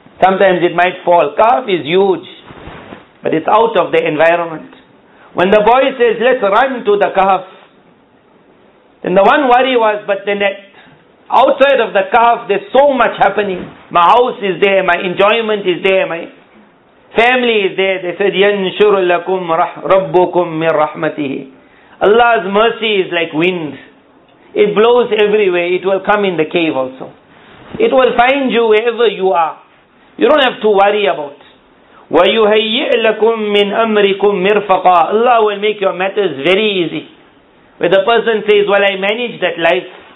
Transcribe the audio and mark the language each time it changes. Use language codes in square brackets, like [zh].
[en] Sometimes it might fall. Kahf is huge, but it's out of the environment. When the boy says, let's run to the kahf, then the one worry was, but the next, outside of the kahf, there's so much happening. My house is there, my enjoyment is there, my family is there. They said, [ar] يَنْشُرُ لَكُمْ رَبُّكُمْ مِنْ رَحْمَتِهِ. [en] Allah's mercy is like wind. It blows everywhere, it will come in the cave also. It will find you wherever you are. You don't have to worry about. [ar] وَيُهَيِّئْ لَكُم مِّنْ أَمْرِكُم مِّرْفَقًا. [en] Allah will make your matters very easy. Where the person says, well, I manage that life.